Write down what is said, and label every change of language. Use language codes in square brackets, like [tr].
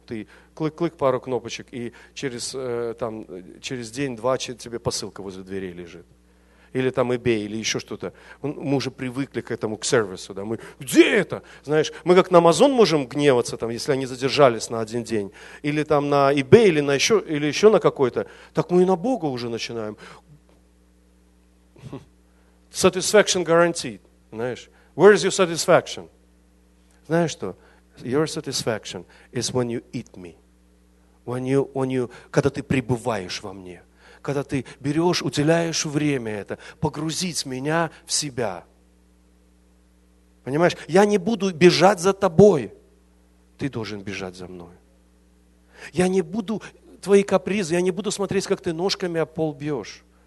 [ru] Ты клык-клык, пару кнопочек, и через день-два тебе посылка возле дверей лежит. Или там eBay, или еще что-то. Мы уже привыкли к этому, к сервису. Да? Мы, где это? Знаешь, мы как на Amazon можем гневаться, там, если они задержались на один день. Или там на eBay, или еще на какой-то. Так мы и на Бога уже начинаем. [en] Satisfaction guaranteed. Знаешь, where is your satisfaction? [ru] Знаешь что? [en] Your satisfaction is when you eat me. [ru] When you, когда ты пребываешь во мне. Когда ты берешь, уделяешь время это, погрузить меня в себя. Понимаешь, я не буду бежать за тобой, ты должен бежать за мной. Я не буду твои капризы, я не буду смотреть, как ты ножками об пол бьешь.